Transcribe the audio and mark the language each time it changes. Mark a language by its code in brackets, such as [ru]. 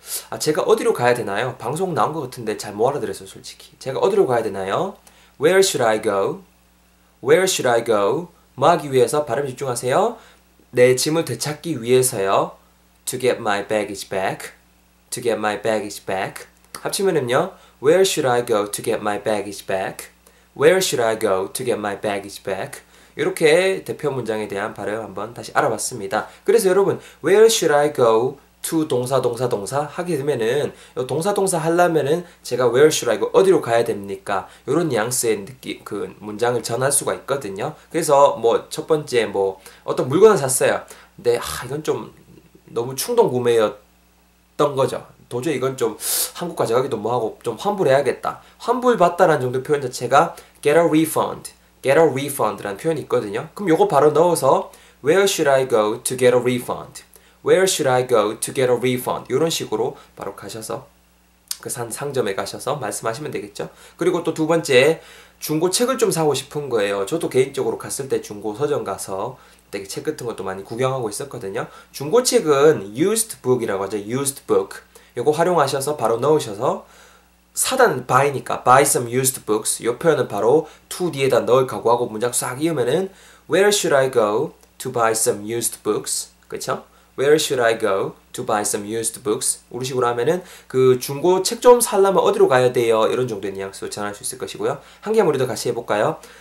[ko] 아 제가 어디로 가야 되나요? 방송 나온 것 같은데 잘 못 알아들었어요 솔직히. 제가 어디로 가야 되나요? [en] Where should I go? Where should I go? [ko] 뭐 하기 위해서 발음 집중하세요. 내 짐을 되찾기 위해서요. [en] To get my baggage back. To get my baggage back. [ko] 합치면은요. [en] Where should I go to get my baggage back? Where should I go to get my baggage back? [ko] 이렇게 대표 문장에 대한 발음 한번 다시 알아봤습니다. 그래서 여러분, [en] Where should I go to [ko] 동사 하게 되면은 동사 하려면은 제가 [en] Where should I go [ko] 어디로 가야 됩니까? 이런 뉘앙스의 느낌 그 문장을 전할 수가 있거든요. 그래서 뭐 첫 번째 뭐 어떤 물건을 샀어요. 근데 아 이건 좀 너무 충동 구매였던 거죠. 도저히 이건 좀 한국 가져가기도 뭐하고 좀 환불해야겠다. 환불받다라는 정도 표현 자체가 [en] get a refund, get a refund [ko] 라는 표현이 있거든요. 그럼 요거 바로 넣어서 [en] Where should I go to get a refund? Where should I go to get a refund? [ko] 이런 식으로 바로 가셔서 그 상점에 가셔서 말씀하시면 되겠죠. 그리고 또 두 번째 중고 책을 좀 사고 싶은 거예요. 저도 개인적으로 갔을 때 중고 서점 가서 되게 책 같은 것도 많이 구경하고 있었거든요. 중고 책은 used book이라고 하죠. used book 이거 활용하셔서 바로 넣으셔서 사단 buy니까 [en] buy some used books [ko] 이 표현은 바로 to 뒤에다 넣을 각오하고 문장 싹 이으면은 [en] Where should I go to buy some used books? [ko] 그쵸? [en] Where should I go to buy some used books? [ko] 우리 식으로 하면은 그 중고 책 좀 사려면 어디로 가야 돼요? 이런 정도의 뉘앙스로 전할 수 있을 것이고요. 한 개만 우리도 같이 해볼까요?